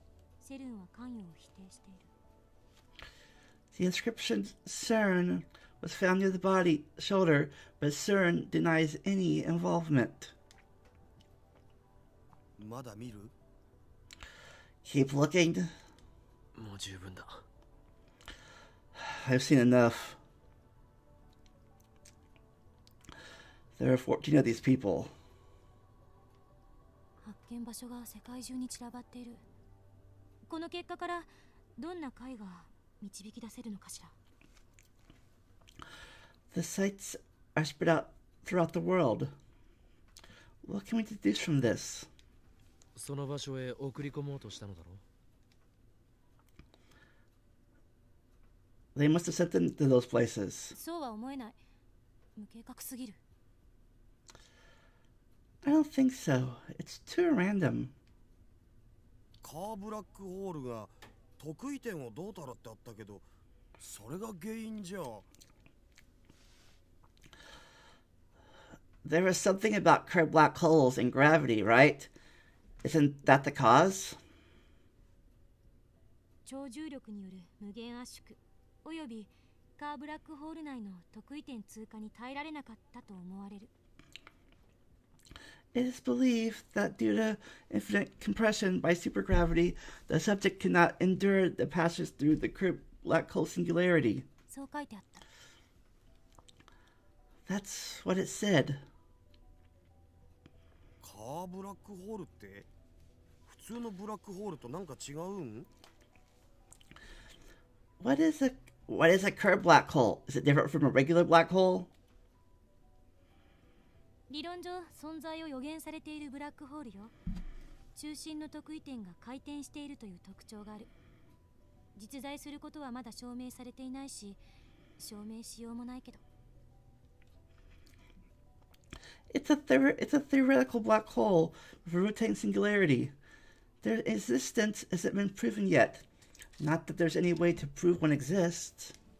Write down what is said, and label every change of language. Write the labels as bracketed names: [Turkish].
[Japanese] 肩と見られる場所にはセルンという刻印があったが、セルンは関与を否定している。 [English] The inscription CERN was found near the body shoulder, but CERN denies any involvement. [Japanese] まだ見る? [English] Keep looking. [Japanese] もう十分だ。 [English] I've seen enough. There are 14 of these people. [Japanese] 発見場所が世界中に散らばっている。この結果からどんな解が導き出せるのかしら? [English] The sites are spread out throughout the world. What can we deduce from this? [Japanese] その場所へ送り込もうとしたのだろう。 [English] They must have sent them to those places. [Japanese] そうは思えない。無計画すぎる。 [English] I don't think so. It's too random. [Japanese] カーブラックホールが得意点をどうたらってあったけど、それが原因じゃ。 [English] There is something about curved black holes and gravity, right? Isn't that the cause? [Japanese] 超重力による無限圧縮、およびカーブラックホール内の得意点通過に耐えられなかったと思われる。 [English] It is believed that due to infinite compression by supergravity, the subject cannot endure the passage through the curved black hole singularity. [Japanese] そう書いてあった。 [English] That's what it said. [Japanese] カーブラックホールって普通のブラックホールとなんか違うん？ [English] What is a curved black hole? Is it different from a regular black hole? [Japanese] 理論上存在を予言されているブラックホールよ。中心の特異点が回転しているという特徴がある。実在することはまだ証明されていないし、証明しようもないけど。 [English] It's a theoretical black hole with a routine singularity. Their existence hasn't been proven yet. Not that there's any way to prove one exists.